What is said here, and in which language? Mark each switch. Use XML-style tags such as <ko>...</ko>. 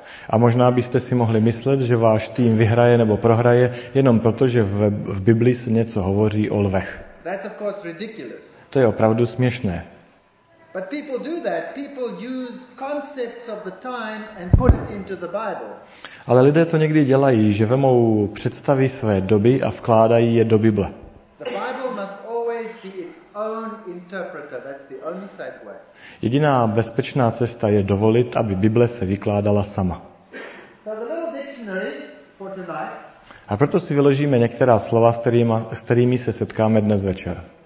<cs>A možná byste si mohli myslet, že váš tým vyhraje nebo prohraje, jenom protože v Biblii se něco hovoří o lvech.</cs> <en>That's of course ridiculous.</en> <cs>To je opravdu směšné.</cs> <en>But people do that. People use concepts of the time and put it into the Bible.</en> <cs>Ale lidé to někdy dělají, že vemou představy své doby a vkládají je do Bible.</cs> <en>The Bible must always be its own interpreter. That's the only safe way.</en> <cs>Jediná bezpečná cesta je dovolit, aby Bible se vykládala sama.</cs> <en>So the little dictionary for tonight.</en> <cs>A proto si vyložíme některá slova, s kterými se setkáme dnes večer.</cs>